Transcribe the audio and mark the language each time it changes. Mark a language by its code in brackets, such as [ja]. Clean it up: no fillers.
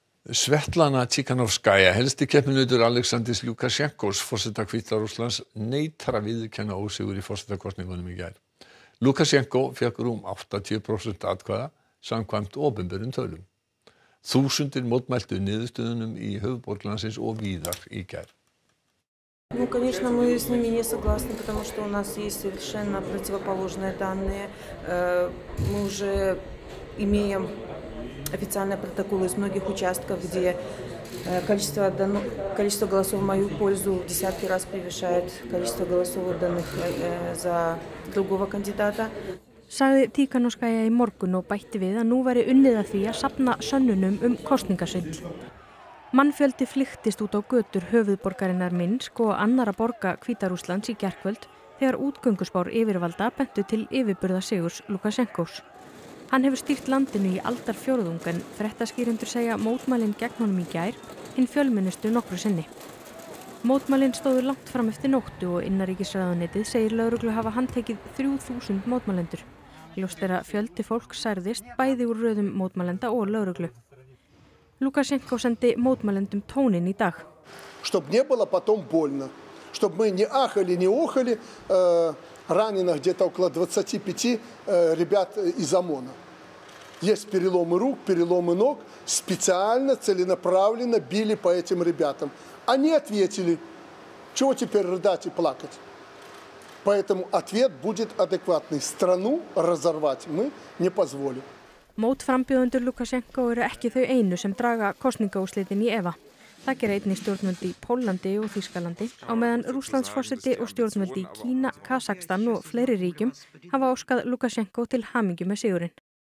[is] Svetlana Tikhanovskaya, helsti keppinautur Alexanders Lukashenkos, forseta Hvíta Rússlands, neitar að viðurkenna ósigur í forsetakosningunum í gær. Lukashenko fékk rúm 80% atkvæða samkvæmt opinberum tölum. Þúsundir mótmæltu niðurstöðunum í höfuðborg landsins og víðar í gær. [ru] Ну, конечно, мы с ними не согласны, потому что у нас есть совершенно противоположные данные. Мы уже имеем официальные протоколы из многих участков, где количество голосов в мою пользу в десятки раз превышает количество голосов, данных за другого кандидата. [is] Sagði Tikhanovskaya í morgun og bætti við að nú væri unnið að því að safna sönnunum kosningasvindl. Mannfjöldi flyktist út á götur höfuðborgarinnar Minsk og annarra borga Hvíta-Rússlands í gærkvöld þegar útgönguspár yfirvalda bentu til yfirburða sigurs Lukashenkos. Hann hefur stýrt landinu í aldar fjórðung en fréttaskýrendur segja mótmælin gegn honum í gær, hinn fjölmennustu nokkru sinni. Mótmælin stóðu langt fram eftir nóttu og innanríkisráðuneytið segir lögreglu hafa handtekið 3000 mótmælendur. Ljóst er að fjöldi fólk særðist bæði úr röðum mótmælenda og lögreglu. Lukashenko sendi mótmælendum tóninn í dag. [ru] Чтоб не было потом больно, чтоб мы не ахали, не охали, ранено где-то около 25 ребят из ОМОНа. Есть переломы рук, переломы ног, специально, целенаправленно били по этим ребятам. Они ответили: "Чего теперь рыдать и плакать?" Поэтому ответ будет адекватный. Страну разорвать мы не позволим. [is] Mótframbjóðundur Lukashenko eru ekki þau einu sem draga kosningaúrslitin í efa. Það gera einnig stjórnvöld í Póllandi og Þýskalandi, á meðan Rússlandsforseti og stjórnvöld í Kína, Kazakstan og fleiri ríkjum hafa óskað Lukashenko til hamingju með sigurinn.